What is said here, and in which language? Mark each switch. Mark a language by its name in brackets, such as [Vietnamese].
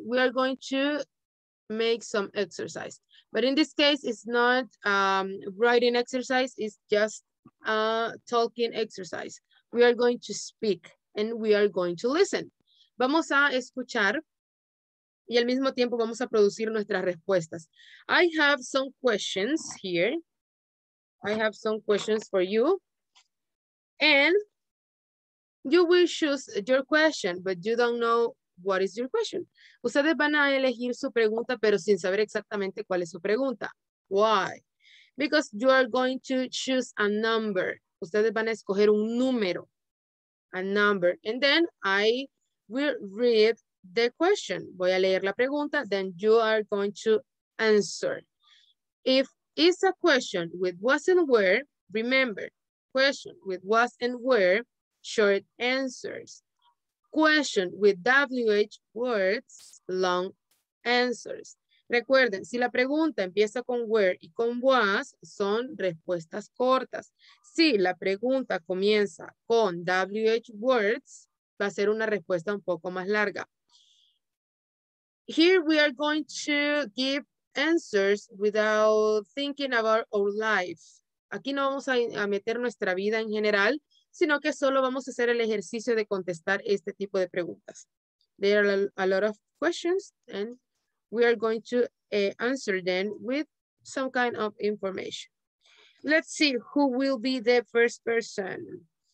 [English] We are going to make some exercise, but in this case, it's not writing exercise, it's just talking exercise. We are going to speak and we are going to listen. [Spanish] Vamos a escuchar y al mismo tiempo vamos a producir nuestras respuestas. [English] I have some questions here. I have some questions for you. And you will choose your question, but you don't know what is your question. [Spanish] Ustedes van a elegir su pregunta, pero sin saber exactamente cuál es su pregunta. [English] Why? Because you are going to choose a number. [Spanish] Ustedes van a escoger un número, [English] a number. And then I will read the question. [Spanish] Voy a leer la pregunta, [English] then you are going to answer. If it's a question with was and where, remember, question with was and where, short answers. Question with WH words, long answers. [Spanish] Recuerden, si la pregunta empieza con where y con was, son respuestas cortas. Si la pregunta comienza con WH words, va a ser una respuesta un poco más larga. [English] Here we are going to give answers without thinking about our life. [Spanish] Aquí no vamos a meter nuestra vida en general, sino que solo vamos a hacer el ejercicio de contestar este tipo de preguntas. [English] There are a lot of questions and we are going to answer them with some kind of information. Let's see who will be the first person.